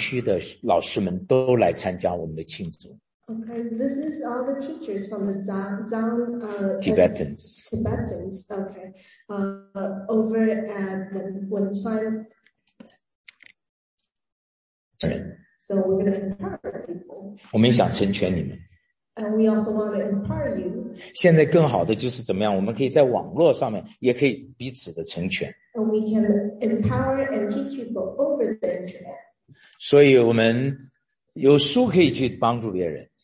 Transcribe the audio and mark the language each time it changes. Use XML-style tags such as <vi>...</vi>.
<zh>这是汶川我们灾后纪念十周年的时候藏区的老师们都来参加我们的庆祝。</zh> <en>Okay, this is all the teachers from the Zhang Tibetans. Tibetans, okay. Over at Wenchuan. So we're going to empower people.</en> <zh>我们想成全你们。</zh> <en>And we also want to empower you.</en> <zh>现在更好的就是怎么样?我们可以在网络上面也可以彼此的成全。</zh> <en>And we can empower and teach people over the internet.</en> <zh>所以我们有书可以去帮助别人。</zh>